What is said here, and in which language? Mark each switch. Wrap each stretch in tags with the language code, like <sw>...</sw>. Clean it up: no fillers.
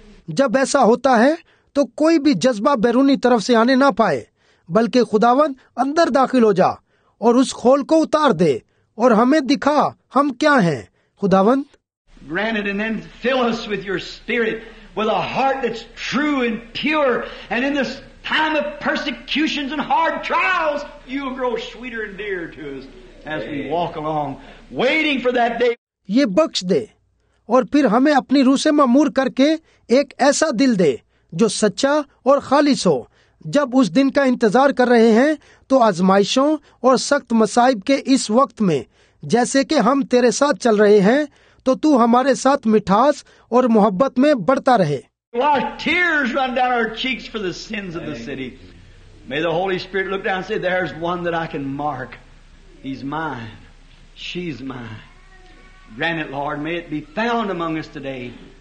<hi>जब ऐसा होता है तो कोई भी जज्बा बैरूनी तरफ से आने ना पाए, बल्कि खुदावन अंदर दाखिल हो जा और उस खोल को उतार दे और हमें दिखा हम क्या हैं, खुदावन।</hi> <en>Granted and then fill us with your spirit, with a heart that's true and pure, and in this time of persecutions and hard trials, you will grow sweeter and dearer to us as we walk along, waiting for that day.</en> <hi>ये बख्श दे और फिर हमें अपनी रूह से मामूर करके एक ऐसा दिल दे जो सच्चा और खालिस हो, जब उस दिन का इंतजार कर रहे हैं तो आजमाइशों और सख्त मसाइब के इस वक्त में, जैसे कि हम तेरे साथ चल रहे हैं, तो तू हमारे साथ मिठास और मोहब्बत में बढ़ता रहे।</hi> <en>While tears run down our cheeks for the sins of the city, may the Holy Spirit look down and say, there's one that I can mark. He's mine. She's mine. Grant it, Lord. May it be found among us today.</en>